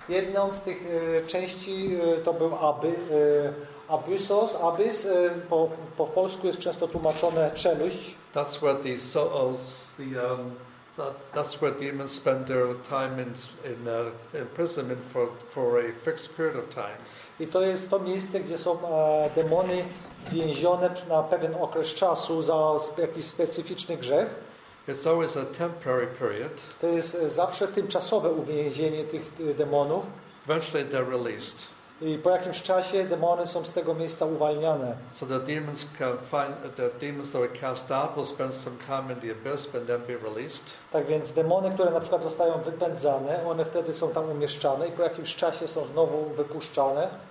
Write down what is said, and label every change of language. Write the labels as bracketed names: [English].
[Polish] Jedną z tych części to był Abyssos. Abyss po polsku jest często tłumaczone czeluść. [English] That's where the souls, that's where demons spend their time in imprisonment for a fixed period of time. [Polish] I to jest to miejsce, gdzie są demony więzione na pewien okres czasu za jakiś specyficzny grzech. [English] It's always a temporary period. [Polish] To jest zawsze tymczasowe uwięzienie tych demonów. [English] Eventually they're released. [Polish] I po jakimś czasie demony są z tego miejsca uwalniane. [English] So the demons can find the demons that were cast out will spend some time in the abyss and then be released. [Polish] Tak więc demony, które na przykład zostają wypędzane, one wtedy są tam umieszczane i po jakimś czasie są znowu wypuszczane.